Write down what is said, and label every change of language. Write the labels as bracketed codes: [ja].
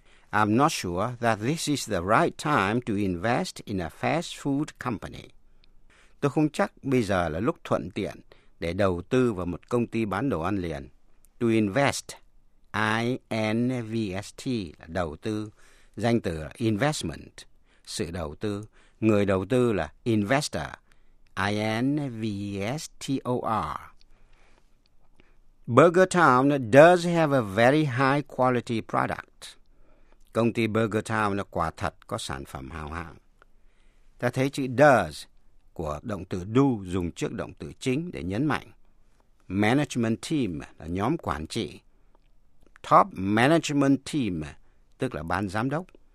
[en] I'm not sure that this is the right time to invest in a fast food company. [vi] Tôi không chắc bây giờ là lúc thuận tiện để đầu tư vào một công ty bán đồ ăn liền. [en] To invest, I-N-V-S-T, [vi] là đầu tư, danh từ là investment, sự đầu tư, người đầu tư là investor. [en] I-N-V-S-T-O-R. Burger Town does have a very high quality product. [vi] Công ty Burger Town quả thật có sản phẩm hào hạng. Ta thấy chữ does của động từ do dùng trước động từ chính để nhấn mạnh. Management team là nhóm quản trị. Top management team tức là ban giám đốc.